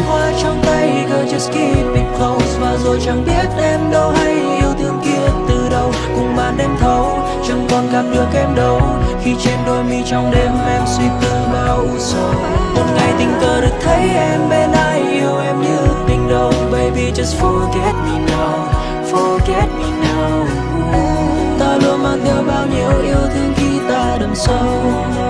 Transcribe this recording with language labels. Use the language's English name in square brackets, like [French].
[Vietnamese] hoa trong tay, [English] girl just keep it close. [Vietnamese] Và rồi chẳng biết em đâu hay yêu thương kia từ đâu. Cùng màn đêm thâu chẳng còn gặp được em đâu. Khi trên đôi mi trong đêm em suy tư bao sầu. Một ngày tình cờ được thấy em bên ai, yêu em như tình đầu. [English] Baby just forget me now, forget me now. [Vietnamese] Ta luôn mang theo bao nhiêu yêu thương khi ta đắm sâu.